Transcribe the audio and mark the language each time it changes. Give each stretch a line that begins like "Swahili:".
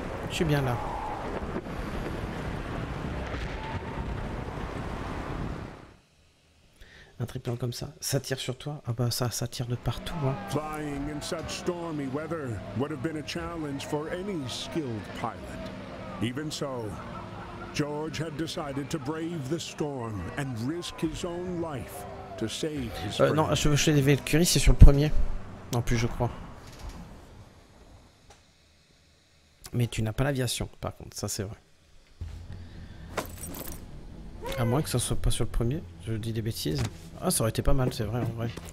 French: Je suis bien là. Un triplan comme ça, ça tire sur toi. Ah bah ça, ça tire de partout. Hein.
English: Flying in such stormy weather would have been a challenge for any skilled pilot. Even so, George had decided to brave the storm and risk his own life to save his friend.
French: Non, je veux chez les Valkyries, c'est sur le premier. En plus, je crois. Mais tu n'as pas l'aviation, par contre, ça c'est vrai. À moins que ça soit pas sur le premier, je dis des bêtises. Ah, ça aurait été pas mal, c'est vrai, en vrai.